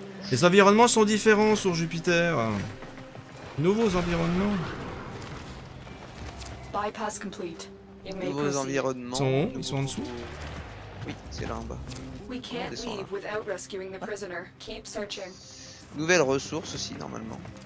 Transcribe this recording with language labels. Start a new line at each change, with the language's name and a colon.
French: Les environnements sont différents sur Jupiter. Nouveaux environnements.
English: Bypass complete.
French: Nouveaux environnements. Ils sont en dessous. Oui, c'est là en bas.
English: We can't leave without rescuing the prisoner. Keep searching.
French: Nouvelles ressources aussi normalement.